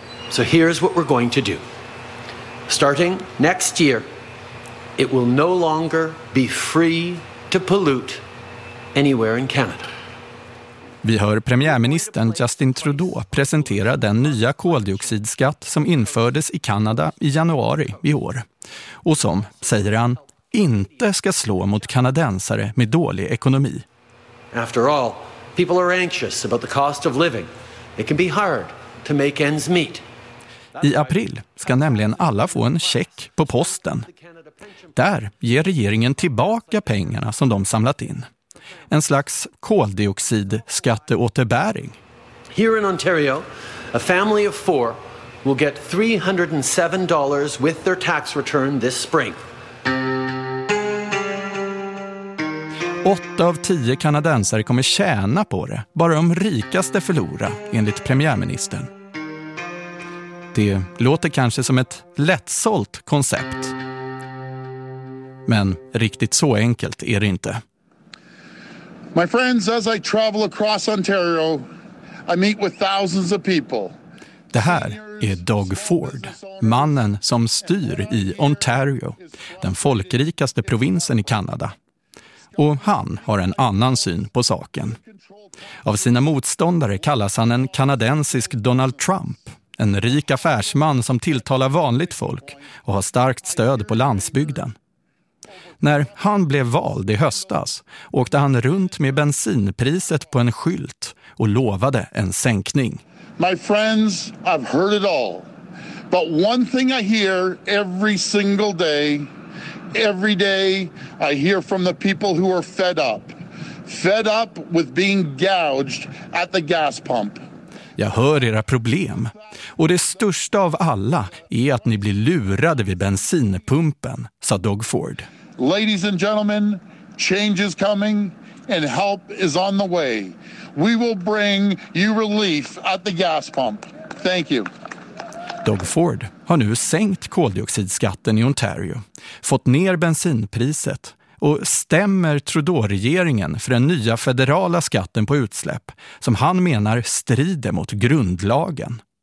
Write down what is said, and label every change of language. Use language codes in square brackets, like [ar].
[en] So here's what we're going to do. Starting next year, it will no longer be free to pollute anywhere in Canada. [sv] Vi hör premiärministern Justin Trudeau presentera den nya koldioxidskatt som infördes i Kanada i januari i år. Och som, säger han, inte ska slå mot kanadensare med dålig ekonomi. [en] After all, people are anxious about the cost of living. It can be hard to make ends meet. [sv] I april ska nämligen alla få en check på posten. Där ger regeringen tillbaka pengarna som de samlat in. En slags koldioxidskatteåterbäring. [en] Here in Ontario, a family of four will get $307 with their tax return this spring. [sv] 8 av 10 kanadensare kommer tjäna på det, bara de rikaste förlorar, enligt premiärministern. Det låter kanske som ett lättsålt koncept. Men riktigt så enkelt är det inte. [en] My friends, as I travel across Ontario, I meet with thousands of people. [sv] Det här är Doug Ford, mannen som styr i Ontario, den folkrikaste provinsen i Kanada. Och han har en annan syn på saken. Av sina motståndare kallas han en kanadensisk Donald Trump, en rik affärsman som tilltalar vanligt folk och har starkt stöd på landsbygden. När han blev vald i höstas åkte han runt med bensinpriset på en skylt och lovade en sänkning. [en] My friends, I've heard it all. But one thing I hear every single day, every day I hear from the people who are fed up with being gouged at the gas pump. [sv] Jag hör era problem. Och det största av alla är att ni blir lurade vid bensinpumpen, sa Doug Ford. [en] Ladies and gentlemen, change is coming and help is on the way. We will bring you relief at the gas pump. Thank you. [sv] Doug Ford har nu sänkt koldioxidskatten i Ontario, fått ner bensinpriset och stämmer Trudeau-regeringen för den nya federala skatten på utsläpp som han menar strider mot grundlagen.